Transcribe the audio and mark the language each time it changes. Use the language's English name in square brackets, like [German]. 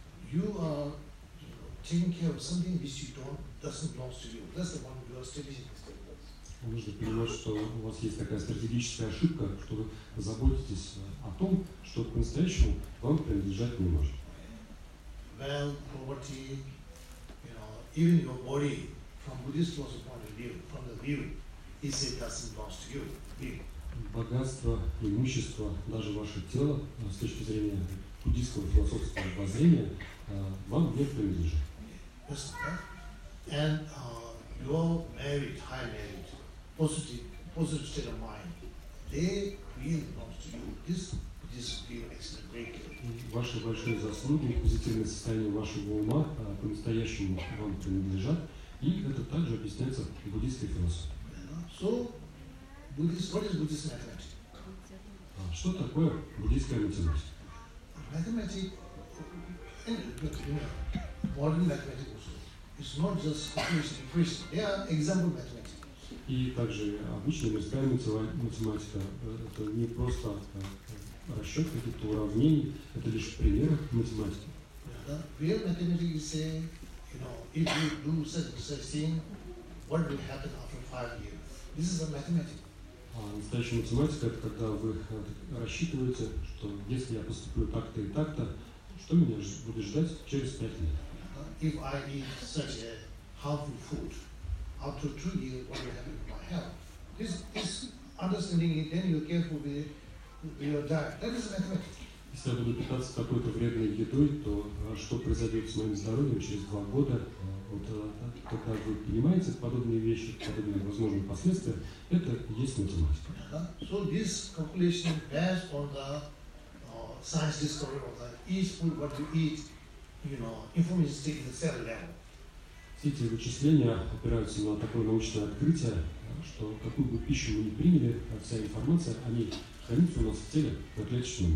[English] You are taking care of something which you don't, doesn't belong to you. That's the one you are establishing. [Russian] Нужно понимать, что у вас есть такая стратегическая ошибка, что вы заботитесь о том, что по-настоящему вам принадлежать не может. [English] Well, poverty, you know, even your body, from Buddhist philosophy point of view, from the view, is it doesn't belong to you. [Russian] Богатство, имущество, даже ваше тело, с точки зрения буддийского философского воззрения, вам не принадлежит. [English] Yes, and your merit, high merit. Positive state of mind. They really belongs to you. This real excellent break. [Russian] Ваши большие заслуги, позитивное состояние вашего ума по-настоящему вам принадлежат, и это также объясняется буддийской философией. [English] So, Buddhist, what is Buddhist mathematics? [Russian] Что такое буддийская математика? [English] Modern mathematics also. It's not just equation. They are example mathematics. [Russian] И также обычная мирская математика – это не просто расчет каких-то уравнений, это лишь пример математики. [English] Real mathematics say, you know, if you do such thing, what will happen after 5 years? This is a mathematics. [Russian] Настоящая математика – это когда вы рассчитываете, что если я поступлю так-то и так-то, что меня будет ждать через 5 лет? [English] If I eat such a healthy food, after 2 years, what will happen to my health? This understanding it, then you're careful with your diet. That is mathematics. [Russian] Если я буду питаться какой-то вредной едой, то что произойдет с моим здоровьем через 2 года? Вот когда вы понимаете подобные вещи, подобные возможные последствия, это есть математика. [English] So this calculation based on the science discovery of the each food what you eat, you know, information state in the cell level. [Russian] Все эти вычисления опираются на такое научное открытие, что какую бы пищу мы ни приняли, вся информация о ней хранится у нас в теле на клеточном